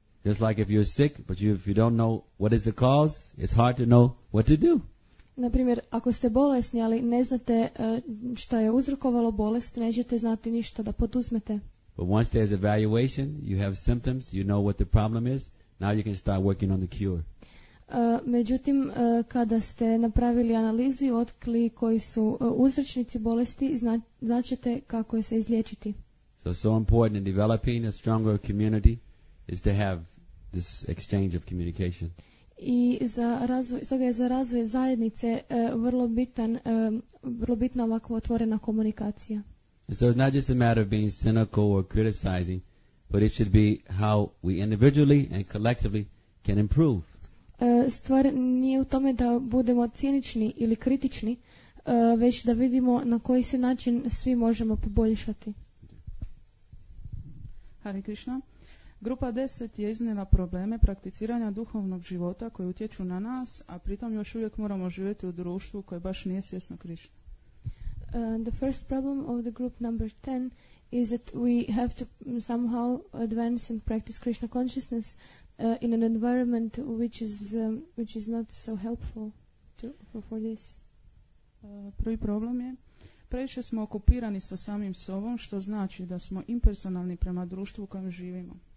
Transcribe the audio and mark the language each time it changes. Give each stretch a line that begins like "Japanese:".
English: Just like if you're sick, but if you don't know what is the cause, it's hard to know what to do.
Croatian: Na primjer, ako ste bolesni, ali ne znate što je uzrokovalo bolest, nećete znati ništa da poduzmete.
English: But once there's evaluation, you have symptoms, you know what the problem is, now you can start working on the cure.
Croatian: Međutim, kada ste napravili analizu i otkrili koji su uzročnici bolesti, znaćete kako je se izliječiti.
English: So important in developing a stronger community is to have this exchange of communication.
Croatian: I za razvoj, stoga je za razvoj zajednice vrlo bitna ovakva otvorena komunikacija.
English: And so it's not just a matter of being cynical or criticizing, but it should be how we individually and collectively can improve.
Croatian: Stvar nije u tome da budemo cinični ili kritični, već da vidimo na koji se način svi možemo poboljšati. Hare Krishna. Grupa 10 je iznijela probleme prakticiranja duhovnog života koji utječu na nas, a pritom još uvijek moramo živjeti u društvu koje baš nije svjesno Krišna.
English: The first problem of the group number 10 is that we have to somehow advance and practice Krishna consciousness in an environment which is not so helpful to, for this.
Croatian: Prvi problem je, previše smo okupirani sa samim sobom, što znači da smo impersonalni prema društvu u kojem živimo.